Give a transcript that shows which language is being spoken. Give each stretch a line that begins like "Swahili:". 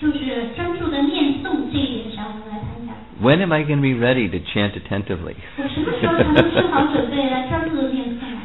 Chinese: 就是专注的念诵这一点上，我们来谈一下。
English: When am I going to be ready to chant attentively?
Chinese: 我什么时候才能做好准备来专注的念诵？